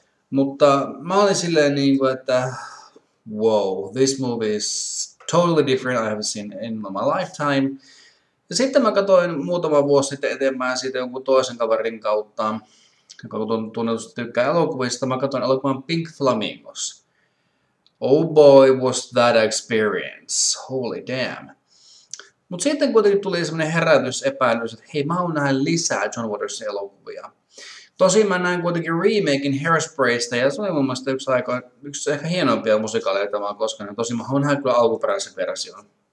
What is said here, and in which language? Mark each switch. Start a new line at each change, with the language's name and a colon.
Finnish: Mutta mä olin silleen niin kuin, että
English: wow, this movie is totally different I have seen in my lifetime.
Finnish: Ja sitten mä katsoin muutama vuosi sitten eteenpäin siitä jonkun toisen kaverin kautta, joka tunnetusti tykkää elokuvista, mä katsoin elokuvan Pink Flamingos.
English: Oh boy, was that experience. Holy damn.
Finnish: Mutta sitten kuitenkin tuli semmoinen herätys, epäilys, että hei, mä haluan nähdä lisää John Watersin elokuvia. Tosin mä näin kuitenkin remakein Hairspraysta, ja se oli mun mielestä yksi ehkä hienompia musikaaleja tämä on koskaan, ja tosin mä haluan nähdä kyllä alkuperäisen version.